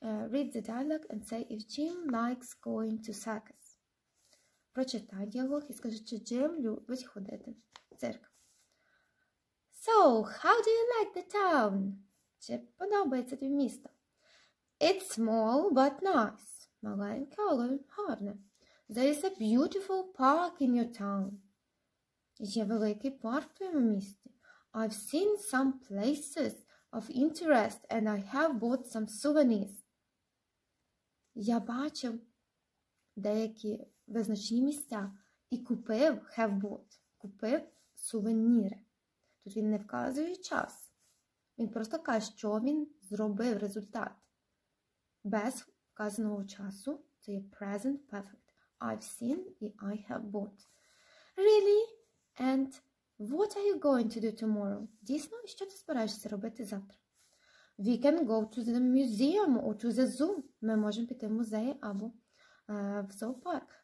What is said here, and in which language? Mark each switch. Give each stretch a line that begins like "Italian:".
English: Read the dialogue and say if Jim likes going to circus.
Ukrainian: Прочитай діалог і скажи, чи Джим любить ходити в цирк.
English: So, how do you like the town?
Ukrainian: Чи подобається тобі місто?
English: It's small, but nice.
Ukrainian: Маленьке, але гарне.
English: There is a beautiful park in your town.
Ukrainian: Є великий парк в твоєму місті.
English: I've seen some places of interest and I have bought some souvenirs.
Ukrainian: Я бачив деякі визначні місця і купив,
English: have bought,
Ukrainian: купив сувеніри. Тут він не вказує час. Він просто каже, що він зробив результат. Без вказаного часу це є present perfect.
English: I've seen і I have bought. Really? And what are you going to do tomorrow?
Ukrainian: Дійсно, що ти збираєшся робити завтра?
English: We can go to the museum or to the zoo.
Ukrainian: Ми можемо піти в музей або в зоопарк.